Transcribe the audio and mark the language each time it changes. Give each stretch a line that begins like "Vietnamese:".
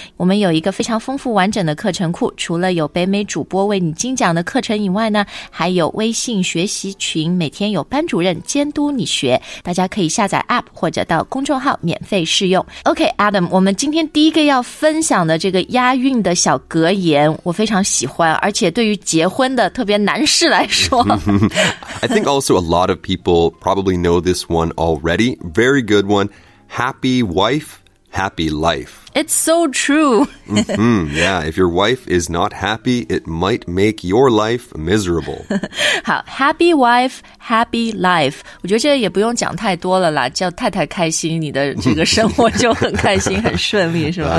Chinese: 我们有一个非常丰富完整的课程库，除了有北美主播为你精讲的课程以外呢，还有微信学习群，每天有班主任监督你学，大家可以下载 APP 或者到公众号免费试用。 OK Adam, 我们今天第一个要分享的这个押韵的小格言我非常喜欢，而且对于结婚的特别男士来
English: I think also a lot of people probably know this one already. Very good one. Happy wife, happy life. It's so true. Yeah, if your wife is not happy, it might make your life miserable.
Chinese: 好
English: ,happy wife, happy life.
Chinese: 我觉得这也不用讲太多了啦，叫太太开心，你的这个生活就很开心很顺利，是吧？